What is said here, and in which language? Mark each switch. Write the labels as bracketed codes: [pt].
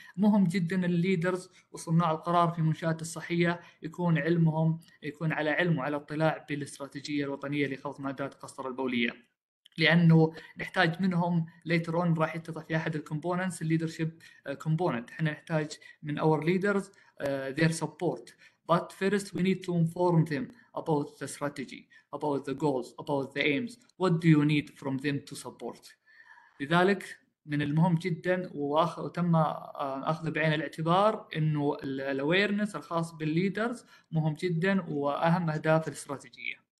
[ar] مهم جدا الليدرز وصناع القرار في منشآت الصحيه يكون علمهم يكون على علم وعلى اطلاع بالاستراتيجيه الوطنيه لخفض معدلات القصر البوليه لانه نحتاج منهم [en] later on [ar] راح يتضح في احد الكومبوننتس الليدرشيب كومبوننت. احنا نحتاج من اور ليدرز [en] their support but first we need to inform them about the strategy about the goals about the aims what do you need from them to support. [ar] لذلك من المهم جدا وتم اخذ بعين الاعتبار انه الاويرنس الخاص بالليدرز مهم جدا واهم اهداف الاستراتيجيه.